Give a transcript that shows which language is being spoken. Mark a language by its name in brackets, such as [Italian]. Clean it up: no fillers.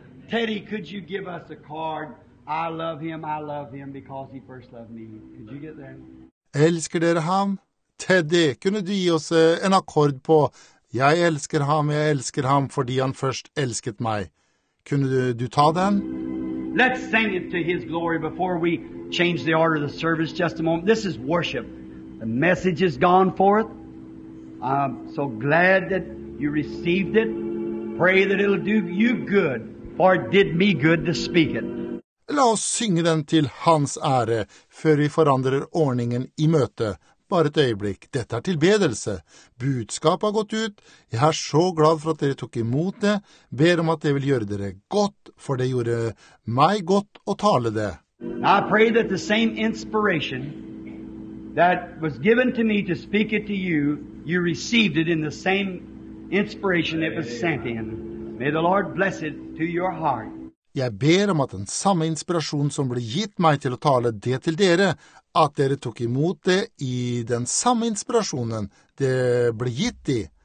[English] Teddy, could you give us a card? I love him. I love him because he first loved me. Could you get there? [Norwegian] Elsker dere ham? Teddy, kunne du gi oss en akkord på jeg elsker ham fordi han først elsket meg. Kunne du ta den? [English] Let's sing it to his glory before we change the order of the service just a moment. This is worship. The message is gone forth. I'm so glad that you received it. Pray that it'll do you good, for it did me good to speak it. [Norwegian] La oss synge den til hans ære, før vi forandrer ordningen i møte. Bare et øyeblikk, dette er tilbedelse. Budskapet har gått ut, jeg så glad for at dere tok imot det, ber om at det vil gjøre dere godt, for det gjorde meg godt å tale det. [English] I pray that the same inspiration that was given to me to speak it to you, you received it in the same inspiration it was sent in. May the Lord bless it to your heart. [Norwegian] Jeg ber om at den samme inspirasjonen som ble gitt meg til å tale det til dere, at dere tok imot det i den samme inspirasjonen det ble gitt i.